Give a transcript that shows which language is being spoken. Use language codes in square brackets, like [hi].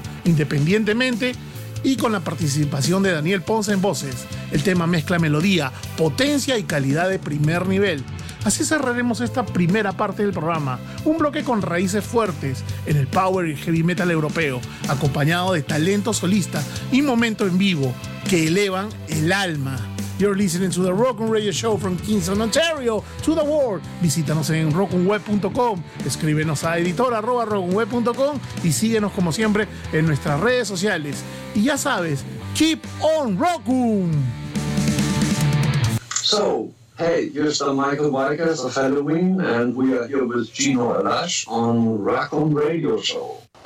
[es] Independientemente y con la participación de Daniel Ponce en voces, el tema mezcla melodía, potencia y calidad de primer nivel. Así cerraremos esta primera parte del programa, un bloque con raíces fuertes en el power y heavy metal europeo, acompañado de talento solista y momento en vivo que elevan el alma. [en] You're listening to the Rockum Radio Show from Kingston, Ontario, to the world. [es] Visítanos en rockumweb.com, escríbenos a editor@rockumweb.com y síguenos como siempre en nuestras redes sociales. Y ya sabes, [en] keep on rockum. So, hey, here's the Michael Vargas of Halloween, and we are here with Gino Alash on Rockum Radio Show.